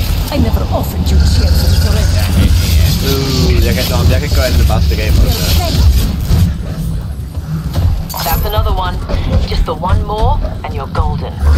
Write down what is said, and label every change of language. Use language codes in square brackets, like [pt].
[en] I never offered you a chance to surrender. [da] Ooh, jeg kan gøre det, jeg kan bare stikke af på det. [en] That's another one. Just the one more, and you're golden.